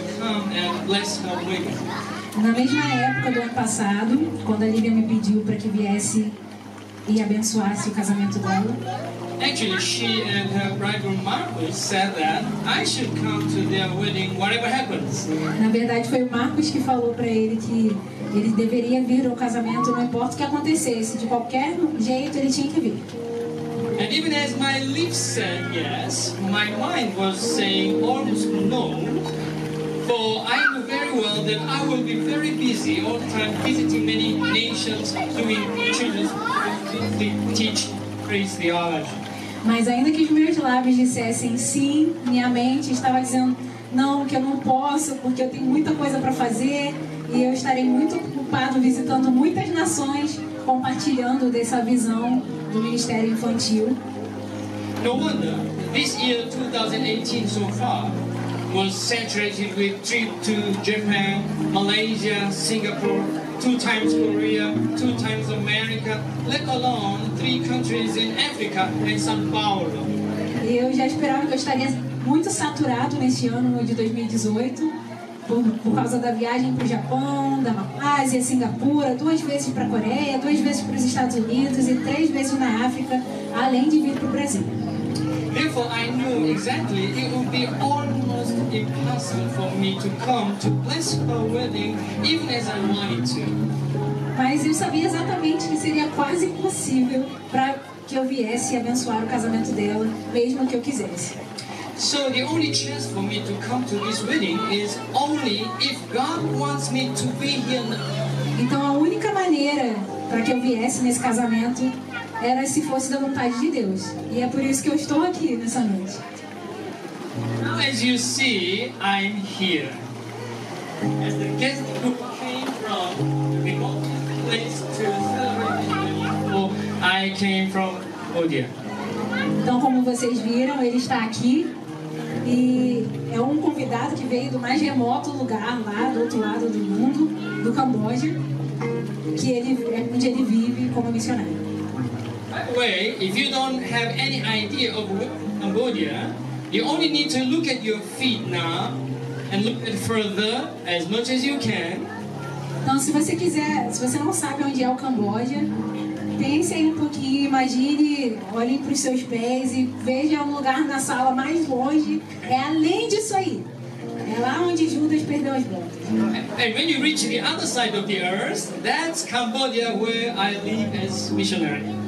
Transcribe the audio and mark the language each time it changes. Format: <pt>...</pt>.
<pt>Na mesma época do ano passado, quando a Lívia me pediu para que viesse e abençoasse o casamento dela.</pt> <en>Actually, she and her bridegroom Marcos said that I should come to their wedding, whatever happens.</en> <pt>Na verdade, foi o Marcos que falou para ele que ele deveria vir ao casamento, não importa o que acontecesse, de qualquer jeito ele tinha que vir.</pt> <en>And even as my lips said yes, my mind was saying almost no. For I knew very well that I will be very busy all the time visiting many nations, doing children's teach praise theology.</en> <pt>Mas ainda que os meus lábios dissessem sim, minha mente estava dizendo não, que eu não posso, porque eu tenho muita coisa para fazer e eu estarei muito ocupado visitando muitas nações, compartilhando dessa visão do Ministério Infantil.</pt> <en>No wonder, this year 2018 so far was saturated with trips to Japan, Malaysia, Singapore, 2 times Korea, 2 times America, let alone 3 countries in Africa and São Paulo.</en> <pt>Eu já esperava que eu estaria muito saturado neste ano de 2018, por causa da viagem para o Japão, da Malásia, Singapura, 2 vezes para a Coreia, 2 vezes para os Estados Unidos e 3 vezes na África, além de vir para o Brasil.</pt> <en>Therefore, I knew exactly it would be almost impossible for me to come to bless her wedding, even as I wanted to.</en> <pt>Mas eu sabia exatamente que seria quase impossível para que eu viesse abençoar o casamento dela, mesmo que eu quisesse.</pt> <en>So the only chance for me to come to this wedding is only if God wants me to be here now.</en> <pt>Então a única maneira para que eu viesse nesse casamento era se fosse da vontade de Deus. E é por isso que eu estou aqui nessa noite.</pt> <en>Now, as you see, I'm here. As the guest who came from the remote place to celebrate the wedding, I came from Odia.</en> <pt>Então, como vocês viram, ele está aqui. E é um convidado que veio do mais remoto lugar, lá do outro lado do mundo, do Camboja, que ele, onde ele vive como missionário.</pt> <en>By the way, if you don't have any idea of Cambodia, you only need to look at your feet now and look at further as much as you can.</en> <pt>Então, se você quiser, se você não sabe onde é o Camboja, pense aí um pouquinho, imagine, olhe para os seus pés e veja um lugar na sala mais longe. É além disso aí. É lá onde Judas perdeu as botas.</pt> <en>And when you reach the other side of the earth, that's Cambodia where I live as missionary.</en>